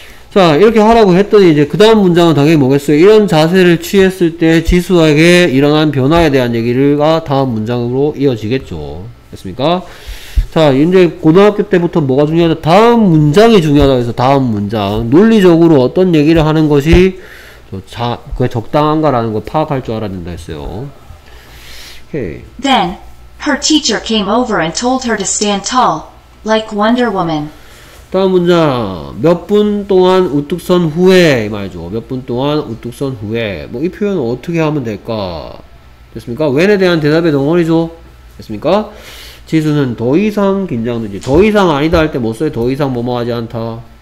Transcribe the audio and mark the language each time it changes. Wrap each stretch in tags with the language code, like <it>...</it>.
<ko>자, 이렇게 하라고 했더니 이제 그 다음 문장은 당연히 뭐겠어요? 이런 자세를 취했을 때 지수에게 일어난 변화에 대한 얘기가 다음 문장으로 이어지겠죠. 됐습니까? 자, 이제 고등학교 때부터 뭐가 중요하다? 다음 문장이 중요하다고 해서 다음 문장 논리적으로 어떤 얘기를 하는 것이 그게 적당한가라는 걸 파악할 줄 알아야 된다 했어요.</ko> <en>Okay. Then her teacher came over and told her to stand tall like Wonder Woman.</en> <ko>다음 문장 몇 분 동안 우뚝 선 후에 이 말이죠. 몇 분 동안 우뚝 선 후에 뭐 이 표현을 어떻게 하면 될까? 됐습니까? When에 대한 대답의 덩어리죠. 됐습니까? 지수는 더 이상 긴장되지. 더 이상 아니다 할 때 뭐 써요? 더 이상 뭐뭐 하지 않다.</ko>